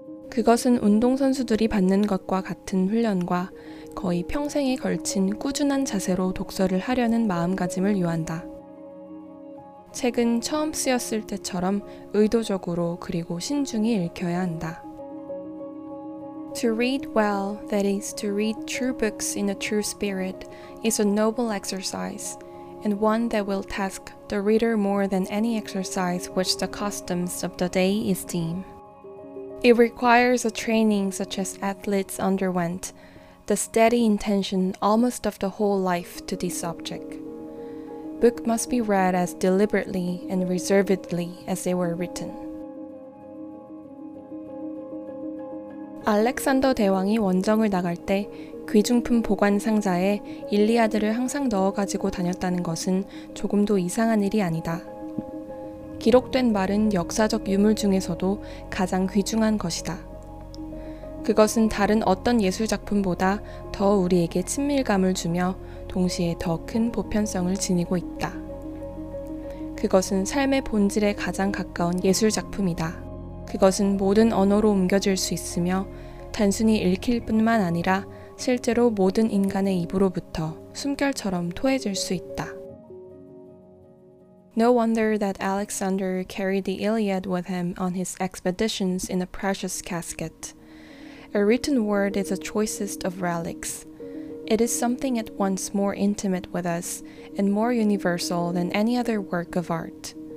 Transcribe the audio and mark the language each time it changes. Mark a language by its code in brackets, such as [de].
[ko] 그것은 운동선수들이 받는 것과 같은 훈련과 거의 평생에 걸친 꾸준한 자세로 독서를 하려는 마음가짐을 요한다. 책은 처음 쓰였을 때처럼 의도적으로 그리고 신중히 읽혀야 한다. [en] To read well, that is to read true books in a true spirit, is a noble exercise, and one that will task the reader more than any exercise which the customs of the day esteem. It requires a training such as athletes underwent, the steady intention almost of the whole life to this object. Book must be read as deliberately and reservedly as they were written. [ko] 알렉산더 대왕이 원정을 나갈 때 귀중품 보관 상자에 일리아드를 항상 넣어 가지고 다녔다는 것은 조금도 이상한 일이 아니다. 기록된 말은 역사적 유물 중에서도 가장 귀중한 것이다. 그것은 다른 어떤 예술 작품보다 더 우리에게 친밀감을 주며 동시에 더 큰 보편성을 지니고 있다. 그것은 삶의 본질에 가장 가까운 예술 작품이다. 그것은 모든 언어로 옮겨질 수 있으며 단순히 읽힐 뿐만 아니라 실제로 모든 인간의 입으로부터 숨결처럼 토해질 수 있다. [en] No wonder that Alexander carried the Iliad with him on his expeditions in a precious casket. A written word is the choicest of relics. It is something at once more intimate with us and more universal than any other work of art.